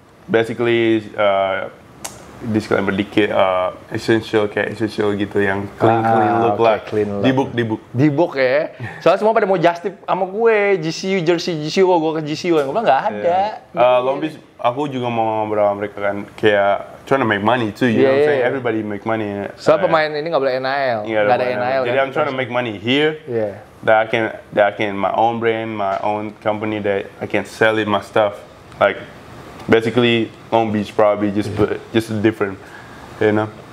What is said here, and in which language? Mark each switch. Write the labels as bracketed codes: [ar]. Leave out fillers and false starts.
[id] Basically, disclaimer dikit, essential gitu yang [en] clean look, [id] okay, lah, [en] clean look. Dibuk [id] ya, soalnya semua pada mau justip sama gue, GCU jersey, GCU kok gue ke GCU, gue bilang gak ada. [en] Long Beach, [id] aku juga mau ngobrol sama mereka kan, [en] kayak trying to make money too, you know what I'm saying, everybody make money. [id] Soalnya pemain ini gak boleh NIL, gak ada NIL. [en] Jadi I'm trying to make money here, that I can, my own brand, my own company, that I can sell it, my stuff, like, basically, Long Beach probably just a different, you know.